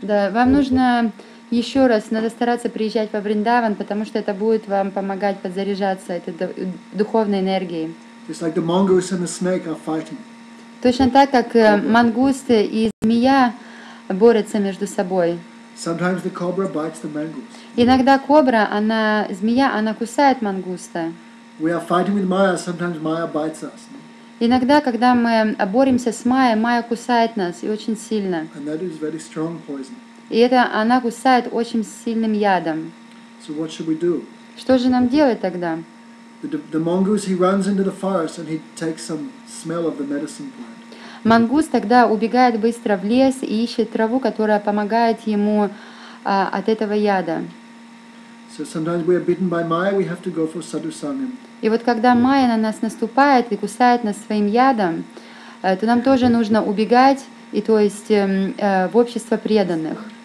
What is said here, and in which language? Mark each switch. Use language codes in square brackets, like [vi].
[ru] Да, вам нужно еще раз, надо стараться приезжать во Вриндаван, потому что это будет вам помогать подзаряжаться этой духовной энергией. [en] It's like the mongoose and the snake are fighting. [ru] Точно так, как мангусты и змея борются между собой. [en] Sometimes the cobra bites the mangoose. [ru] Иногда кобра, она, змея, она кусает мангуста. [en] We are fighting with Maya, sometimes Maya bites us. [ru] Иногда, когда мы боремся с Майей, Майя кусает нас, и очень сильно. [en] And that is very strong poison. [ru] И это она кусает очень сильным ядом. [en] So what should we do? [ru] Что же нам делать тогда? [en] The mongoose, he runs into the forest and he takes some smell of the medicine plant. [ru] Мангуст тогда убегает быстро в лес и ищет траву, которая помогает ему от этого яда. [en] So sometimes we are bitten by Maya, we have to go for sadhusang. [ru] И вот когда Майя на нас наступает и кусает нас своим ядом, то нам тоже нужно убегать, и то есть в общество преданных.